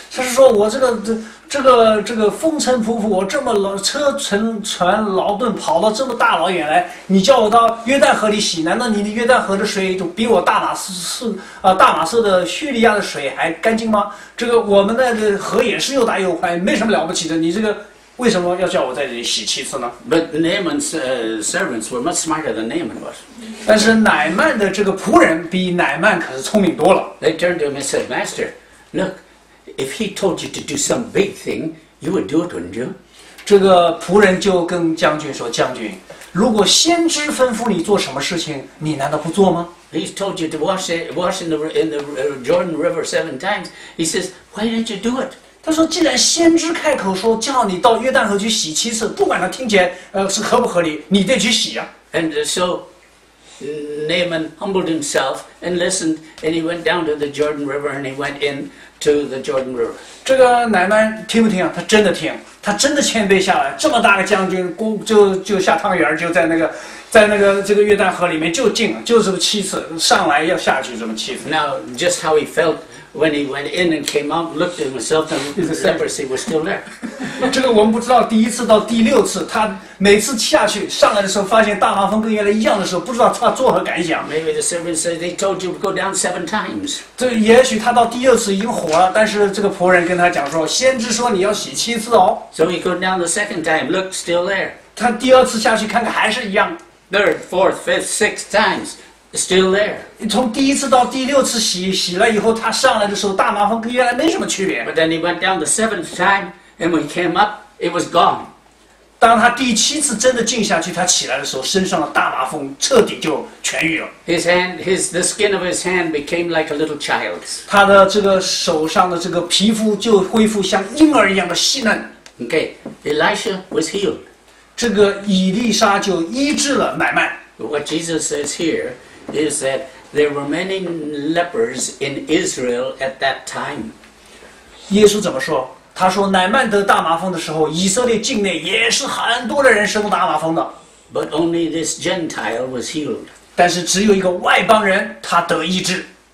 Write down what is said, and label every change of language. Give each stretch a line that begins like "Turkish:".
Chinese: 他是说我这个风尘仆仆，我这么车乘船劳顿跑到这么大老远来，你叫我到约旦河里洗，难道你的约旦河的水就比我大马色的叙利亚的水还干净吗？这个我们那个河也是又大又宽，没什么了不起的，你这个为什么要叫我在这里洗七次呢？
English: But Naaman's servants were much smarter than Naaman was.
Chinese: 但是乃曼的这个仆人比乃曼可是聪明多了。
English: They turned to him and said, "Master, look, if he told you to do some big thing, you would do it, wouldn't you?"
Chinese: 这个仆人就跟将军说，将军，如果先知吩咐你做什么事情，你难道不做吗？
English: He told you to wash in the Jordan River seven times. He says, "Why didn't you do it?"
Chinese: 他说，既然先知开口说叫你到约旦河去洗七次，不管他听见是合不合理，你得去洗啊。
English: And so Naaman humbled himself and listened, and he went down to the Jordan River and he went in. To the Jordan River.
Chinese: 这个乃曼听不听啊？他真的听，他真的谦卑下来。这么大个将军，就下汤圆，就在那个约旦河里面就进了，就这么七次上来要下去，这么七次。
English: Now just how he felt when he went in and came out, looked at himself, and the leprosy was still there.
Chinese: 这个我们不知道，第一次到第六次，他每次下去上来的时候，发现大麻风跟原来一样的时候，不知道他作何感想。
English: Maybe the servant said they told you to go down seven times.
Chinese: 这也许他到第二次已经火了，但是这个仆人跟他讲说，先知说你要洗七次哦。
English: So he goes down the second time, look, still there.
Chinese: 他第二次下去看看还是一样。
English: Third, fourth, fifth, sixth times. Still there.
Chinese: 从第一次到第六次洗了以后，他上来的时候，大麻风跟原来没什么区别。
English: But then he went down the seventh time, and when he came up, it was gone.
Chinese: 当他第七次真的静下去，他起来的时候，身上的大麻风彻底就痊愈了。
English: The skin of his hand became like a little child's.
Chinese: 他的这个手上的这个皮肤就恢复像婴儿一样的细嫩。
English: Okay, Elisha was healed.
Chinese: 这个以利沙就医治了乃曼。
English: What Jesus says here. Is that there were many lepers in Israel at that time?
Chinese: 耶稣怎么说？他说乃曼得大麻风的时候，以色列境内也是很多的人生大麻风的。
English: But only this Gentile was healed.
Chinese: 但是只有一个外邦人他得医治。